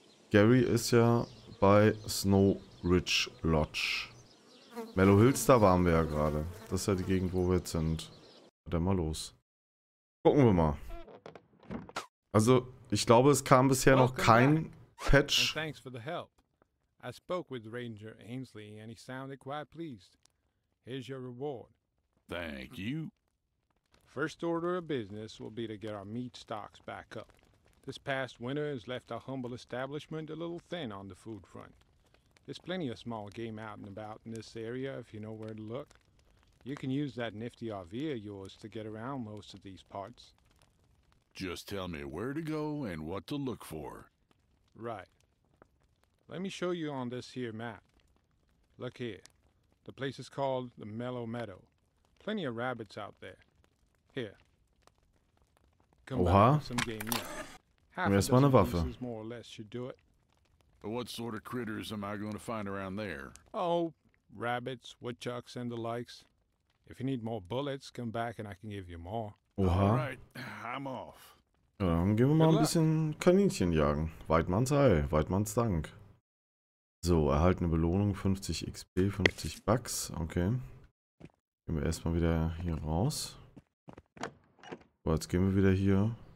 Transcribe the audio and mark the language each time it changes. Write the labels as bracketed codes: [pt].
[de] Gary ist ja bei Snow Ridge Lodge. Mellow Hills, da waren wir ja gerade. Das ist ja die Gegend, wo wir jetzt sind. Dann mal los. Gucken wir mal. Also, ich glaube, es kam bisher noch kein Patch. [en] And thanks for the help. I spoke with Ranger Ainsley and he sounded quite pleased. Here's your reward. Thank you. First order of business will be to get our meat stocks back up. This past winter has left our humble establishment a little thin on the food front. There's plenty of small game out and about in this area if you know where to look. You can use that nifty RV of yours to get around most of these parts. Just tell me where to go and what to look for. Right. Let me show you on this here map. Look here. The place is called the Mellow Meadow. Plenty of rabbits out there. Here. Come back with some game meat. Half a dozen pieces more or less should do it. What sort of critters am I going to find around there? Oh, rabbits, woodchucks and the likes. If you need more bullets, come back and I can give you more. Oha. All right, I'm off. [de] Ja, dann gehen wir mal ein bisschen Kaninchen jagen. Weidmanns Ei, Weidmanns Dank. So, erhalten eine Belohnung, 50 XP, 50 Bucks, okay. Gehen wir erstmal wieder hier raus. So, jetzt gehen wir wieder hier.